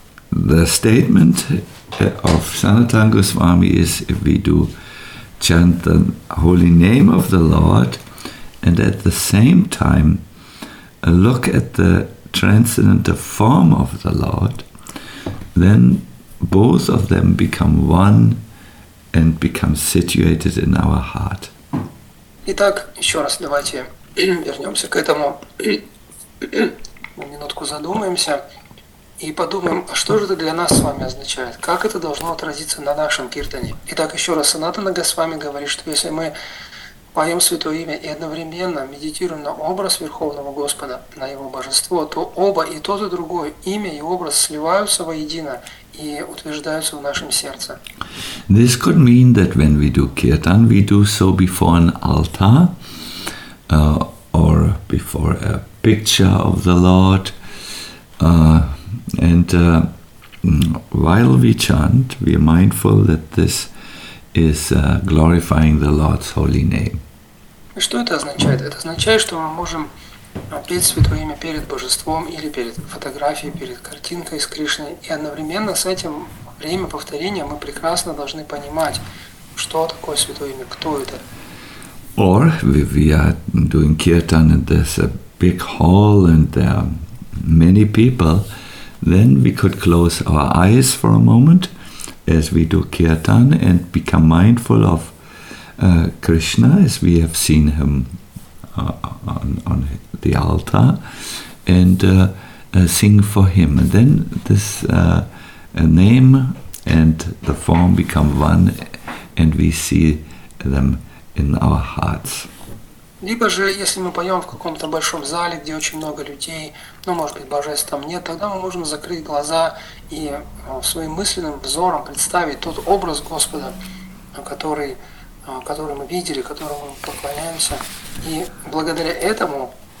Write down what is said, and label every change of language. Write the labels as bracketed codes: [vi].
[en] The statement of Sanatana Goswami is, if we do chant the holy name of the Lord and at the same time look at the transcendental form of the Lord, then both of them become one and become situated in our heart. [ru] Итак, еще раз давайте вернемся к этому, минутку задумаемся и подумаем, а что же это для нас с вами означает, как это должно отразиться на нашем киртане. Итак, еще раз, Санатана Госвами говорит, что если мы поем Святое Имя и одновременно медитируем на образ Верховного Господа, на Его Божество, то оба, и тот, и другое, имя и образ сливаются воедино и утверждаются в нашем сердце. [en] This could mean that when we do kirtan, we do so before an altar, or before a picture of the Lord, while we chant, we are mindful that this is glorifying the Lord's holy name. [ru] Что это означает? Это означает, что мы можем петь Святое Имя перед Божеством или перед фотографией, перед картинкой с Кришной, и одновременно с этим время повторения мы прекрасно должны понимать, что такое Святое Имя, кто это. [en] Or we are doing kirtan and there's a big hall and there are many people, then we could close our eyes for a moment as we do kirtan and become mindful of Krishna as we have seen him on the altar and sing for him. And then this name and the form become one and we see them in our hearts. [ru] Либо же, если мы поем в каком-то большом зале, где очень много людей, ну, может быть, божеств там нет, тогда мы можем закрыть глаза и своим мысленным взором представить тот образ Господа, который мы видели, которому мы поклоняемся. И благодаря этому